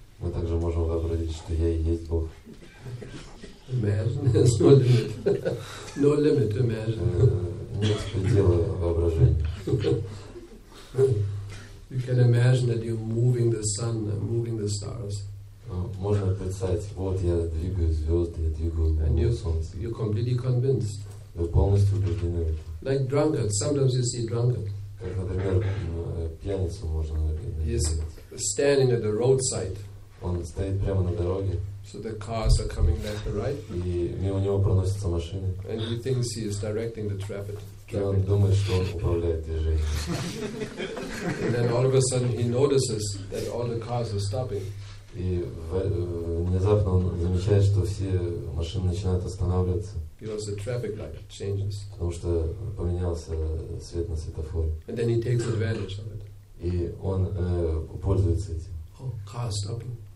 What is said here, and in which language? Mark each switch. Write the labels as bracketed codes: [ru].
[ru] Мы также можем вообразить, что я и есть Бог. [en] Imagine, there's no limit. No limit to imagine. [ru] Нет предела воображения. [en] You can imagine that you're moving the sun, moving the stars. [ru] Можно представить, вот я двигаю звезды, я двигаю солнце. [en] And you're completely convinced. [ru] Вы полностью убеждены в этом. [en] Like drunkard, sometimes you see drunkard. [ru] Как, например, пьяницу можно увидеть. [en] He's standing at the roadside. [ru] Он стоит прямо на дороге. [en] So the cars are coming left and right. [ru] И мимо него проносятся машины. [en] And he thinks he is directing the traffic. [ru] И он думает, что он управляет движением. [en] And then all of a sudden he notices that all the cars are stopping. [ru] И внезапно он замечает, что все машины начинают останавливаться. [en] Because the traffic light changes. [ru] Потому что поменялся свет на светофоре. [en] And then he takes advantage of it. [ru] И он пользуется этим. [en] Oh, car stopping.